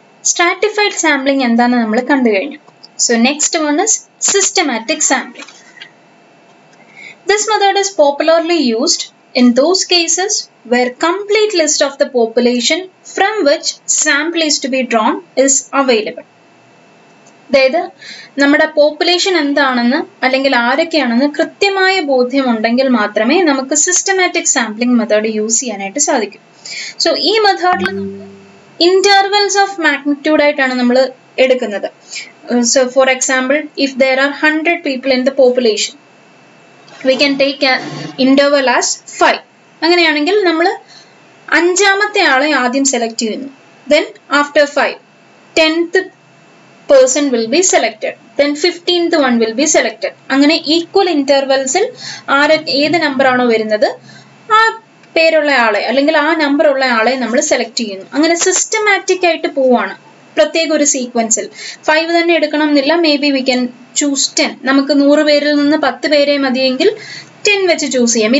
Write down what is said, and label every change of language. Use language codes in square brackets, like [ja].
[ml] Stratified sampling എന്താണ് നമ്മൾ കണ്ടു കഴിഞ്ഞു. [en] So next one is systematic sampling. This method is popularly used in those cases where complete list of the population from which sample is to be drawn is available. [ml] അതായത് നമ്മുടെ population എന്താണെന്ന് അല്ലെങ്കിൽ ആരൊക്കെയാണെന്ന് കൃത്യമായ ബോധ്യമുണ്ടെങ്കിൽ മാത്രമേ നമുക്ക് സിസ്റ്റമാറ്റിക് സാമ്പിളിംഗ് മെത്തേഡ് യൂസ് ചെയ്യാനായിട്ട് സാധിക്കൂ. So ഈ മെത്തേഡിൽ [en] intervals of magnitude [ml] ആയിട്ടാണ് നമ്മൾ എടുക്കുന്നത്. [en] So for example, if there are 100 people in the population, we can take interval as 5. [ml] അങ്ങനെയാണെങ്കിൽ നമ്മൾ അഞ്ചാമത്തെ ആളെ ആദ്യം സെലക്ട് ചെയ്യുന്നു. [en] Then after 5, 10th person will be selected, then 15th one will be selected. [ml] അങ്ങനെ equal intervals ൽ ഏത് number ആണോ വരുന്നത് ആ പേരുള്ള ആളെ അല്ലെങ്കിൽ ആ നമ്പർ ഉള്ള ആളെ നമ്മൾ സെലക്ട് ചെയ്യുന്നു. അങ്ങനെ സിസ്റ്റമാറ്റിക് ആയിട്ട് പോവാണ്. പ്രത്യേക ഒരു സീക്വൻസിൽ 5 തന്നെ എടുക്കണം എന്നില്ല, [en] Maybe we can choose 10. [ml] നമുക്ക് 100 പേരിൽ നിന്ന് 10 പേരെ മതിയെങ്കിൽ 10 വെച്ച് ചൂസ് ചെയ്യാം.